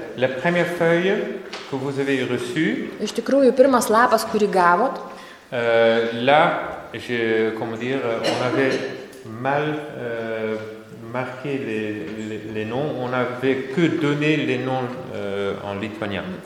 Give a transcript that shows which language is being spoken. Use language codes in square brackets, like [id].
[fr] La première feuille que vous avez reçue. [lt] Iš tikrųjų, pirmas lapas, kurį gavot. [fr] Là, je comment dire, on avait mal marqué les noms, on avait que donné les noms en lituanien.